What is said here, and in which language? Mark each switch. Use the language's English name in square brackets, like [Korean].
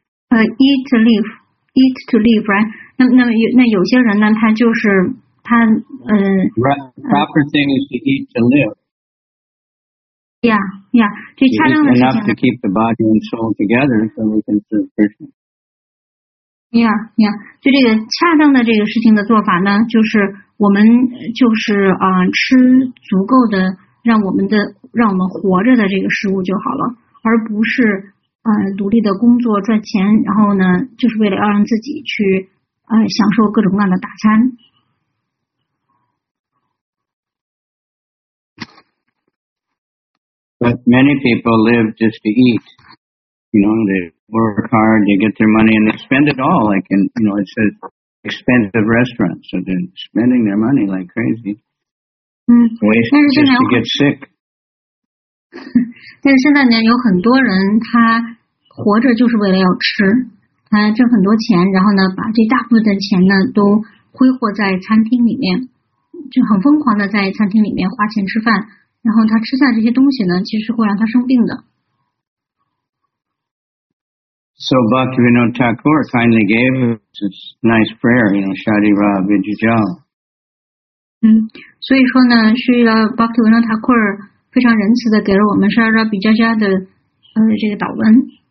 [English] Eat to live, eat to live, right? [Chinese] 那有些人呢，他就是他 [English] Proper thing is to eat to live. Yeah, yeah. [Chinese] 这恰当的事情 [English] enough to keep the body and soul together so we can serve Krishna. [Chinese] Yeah, 就这个恰当的这个事情的做法呢，就是我们就是吃足够的让我们活着的这个食物就好了，而不是努力的工作赚钱，然后呢，就是为了要让自己去享受各种各样的大餐。 [English] But many people live just to eat, you know, they work hard, you get their money, and they spend it all. Like, in, you know, it says expensive restaurants, so they're spending their money like crazy. Waste just to get sick. [Chinese] 但是现在呢，有很多人他活着就是为了要吃，他挣很多钱，然后呢，把这大部分的钱呢都挥霍在餐厅里面，就很疯狂的在餐厅里面花钱吃饭，然后他吃下这些东西呢，其实会让他生病的。 [English] So Bhaktivinoda Thakur kindly gave us this nice prayer, you know, Shadi Ra Vijijal. [Chinese] 所以说呢，是Bhaktivinoda Thakur非常仁慈的给了我们Shadi Ra Vijijal的这个祷文。